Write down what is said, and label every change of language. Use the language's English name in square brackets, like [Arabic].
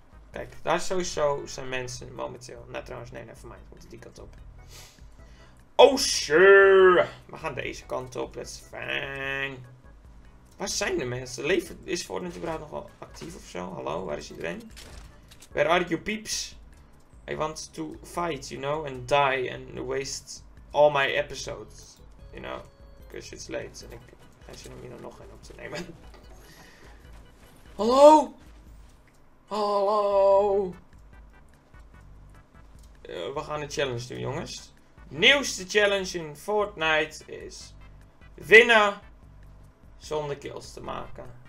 [Dutch] Kijk, daar sowieso zijn mensen momenteel. Nou, trouwens, nee, [English] never mind. [Dutch] Moet die kant op. [English] Oh, sure. [Dutch] We gaan deze kant op. [English] That's fine. [Dutch] Waar zijn de mensen? Leven is voor natuurlijk nog wel actief of zo. Hallo, waar is iedereen? [English] Where are you peeps? I want to fight, you know, and die and waste all my episodes, you know. Because it's late [Dutch] en ik heb zin om hier nog een op te nemen. Hallo? Hallo? We gaan een challenge doen, jongens. Nieuwste challenge in Fortnite is winnen zonder kills te maken.